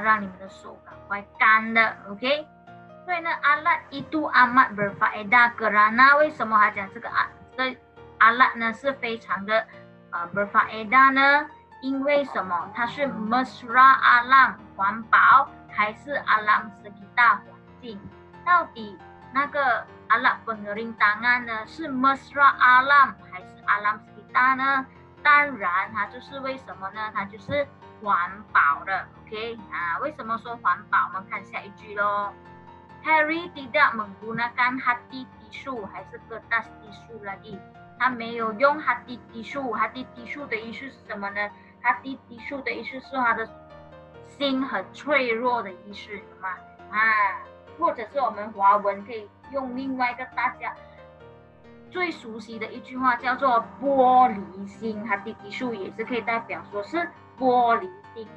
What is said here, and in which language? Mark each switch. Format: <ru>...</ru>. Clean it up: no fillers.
<zh>让你们的手赶快干的 ，OK。所以呢 ，</zh> <ms>alat itu amat berfaedah kerana</ms> <zh>为什么他讲这个 alat 呢是非常的berfaedah 呢？因为什么？它是 mesra alam 环保，还是 alam sekitar 环境？到底那个？ alat pengering tangan 呢是 mesra alam 还是 alam sekitar 呢？当然它就是为什么呢，它就是环保的 OK、啊、为什么说环保，我们看下一句咯。</zh> <ms>Harry tidak menggunakan hati tisu 还是 kertas tisu lagi，</ms> <zh>他没有用</zh> <ms>hati tisu。</ms> <zh>hati tisu 的意思是什么呢？hati tisu 的意思是他的心很脆弱的意思，懂吗？啊，或者是我们华文可以用另外一个大家最熟悉的一句话叫做玻璃心，它的技术也是可以代表说是玻璃心。</zh>